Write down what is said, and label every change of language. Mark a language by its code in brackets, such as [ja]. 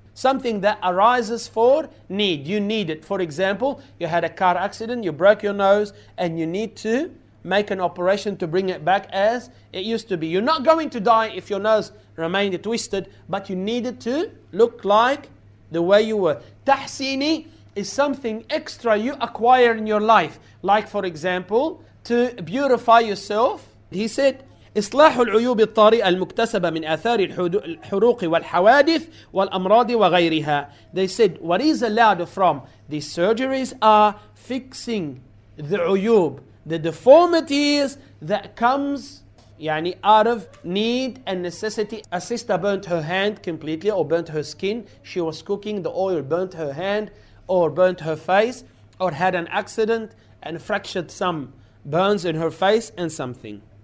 [en] Something that arises for need. You need it. For example, you had a car accident, you broke your nose, and you need to make an operation to bring it back as it used to be. You're not going to die if your nose remained twisted, but you need it to look like the way you were. Tahsini is something extra you acquire in your life. Like, for example, to beautify yourself. [ar] He said, إصلاح العيوب الطارئة المكتسبة من آثار الحروق والحوادث والأمراض وغيرها. [en] They said, what is allowed from these surgeries are fixing the عيوب, the deformities that comes out of need and necessity. A sister burnt her hand completely or burnt her skin. She was cooking, the oil burnt her hand or burnt her face, or had an accident and fractured some burns in her face and something.